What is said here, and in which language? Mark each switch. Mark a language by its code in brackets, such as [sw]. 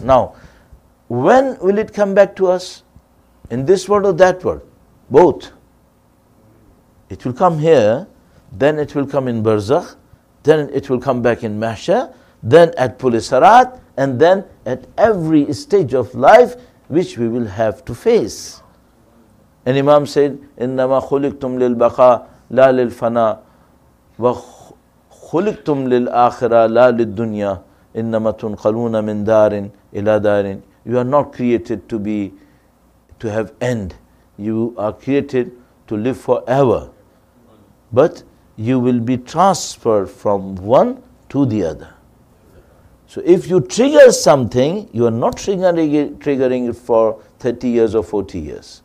[en] Now, when will it come back to us? In this world or that world? Both. It will come here, then it will come in Barzakh, then it will come back in Mahsha, then at Pulisarat, and then at every stage of life which we will have to face. And Imam said, [ar] إِنَّمَا خُلِقْتُمْ لِلْبَقَى لَا لِلْفَنَى وَخُلِقْتُمْ لِلْآخِرَى لَا لِلْدُّنْيَا إِنَّمَا تُنْقَلُونَ مِنْ دَارٍ إِلَى دَارٍ. [en] You are not created to have end. You are created to live forever. But you will be transferred from one to the other. So if you trigger something, you are not triggering it for 30 years or 40 years.